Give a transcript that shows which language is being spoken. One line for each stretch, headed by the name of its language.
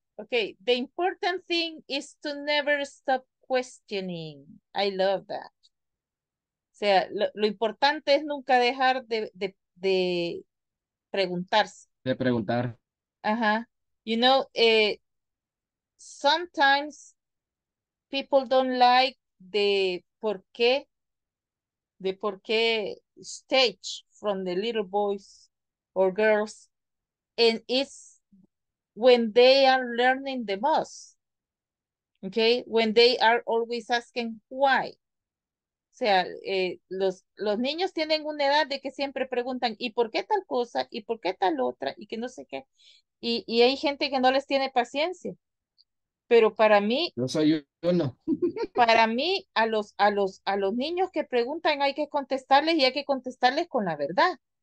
English: Okay, the important thing is to never stop questioning. I love that.
Spanish: O sea, lo importante es nunca dejar de preguntarse. De preguntar. Ajá.
English: You know, sometimes people don't like the por qué stage from the little boys or girls, and it's when they are learning the most. Okay? When they are always asking why.
Spanish: O sea, los niños tienen una edad de que siempre preguntan, ¿y por qué tal cosa? ¿Y por qué tal otra? Y que no sé qué. Y hay gente que no les tiene paciencia. Pero para mí... No soy yo, no. Para mí, a los niños que preguntan, hay que contestarles, y hay que contestarles con la verdad.